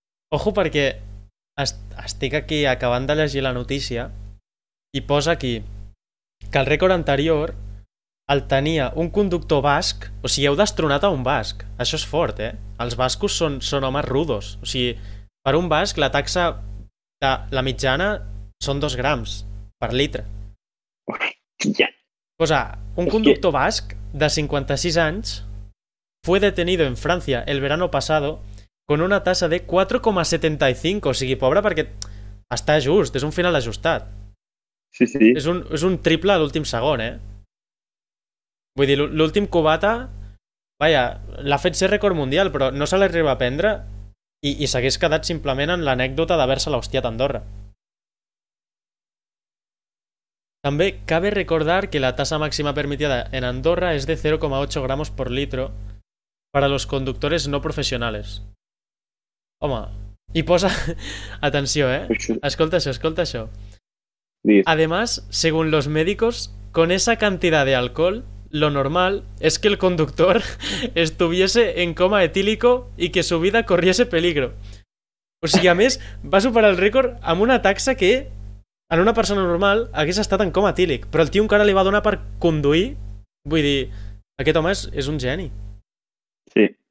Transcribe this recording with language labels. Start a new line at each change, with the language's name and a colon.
Catalan: Ojo, perquè estic aquí acabant de llegir la notícia i posa aquí que el rècord anterior el tenia un conductor basc, o sigui, heu destronat a un basc. Això és fort, eh? Els bascos són homes rudos. O sigui, per un basc la taxa de la mitjana són 2 grams per litre.
English: Yeah.
Catalan: O sigui, un conductor basc de 56 anys
Spanish: fue detenido en Francia el verano pasado con una tasa de 4,75.
Catalan: O sigui, pobre, perquè Està just, és un final ajustat. Sí, sí. És un triple a l'últim segon, eh? Vull dir, l'últim cubata, vaja, l'ha fet ser rècord mundial, però no se l'arriba a prendre i s'hagués quedat simplement en l'anècdota d'haver-se l'hostiat Andorra. També
Spanish: cabe recordar que la tasa màxima permitida en Andorra és de 0,8 gramos por litro per a los conductores no professionals.
Catalan: Home, i posa... Atenció, eh? Escolta això, escolta això.
Spanish: Además, según los médicos, con esa cantidad de alcohol, lo normal es que el conductor estuviese en coma etílico y que su vida corriese peligro.
Catalan: O sigui, a més, va superar el rècord amb una taxa que... en una persona normal hagués estat en coma tílic, però el tio encara li va donar per conduir. Vull dir, aquest home és un geni. Sí.